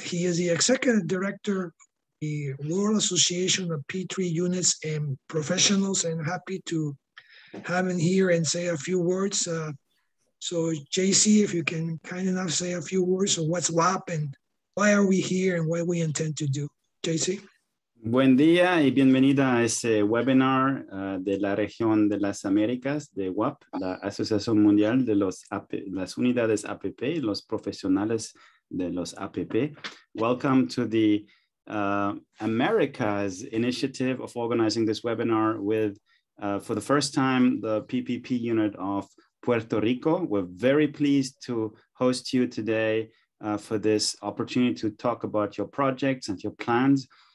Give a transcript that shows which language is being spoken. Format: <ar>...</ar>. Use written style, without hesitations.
<en>He is the executive director of the World Association of Petri Units and Professionals, and happy to have him here and say a few words. So JC, if you can kind enough say a few words of what's WAPP and why are we here and what we intend to do. JC.</en> <es>Buen día y bienvenida a este webinar de la región de las Américas de WAPP, la Asociación Mundial de los las Unidades APP, los profesionales de los APP.</es> <en>Welcome to the America's initiative of organizing this webinar with for the first time, the PPP unit of Puerto Rico. We're very pleased to host you today for this opportunity to talk about your projects and your plans.</en>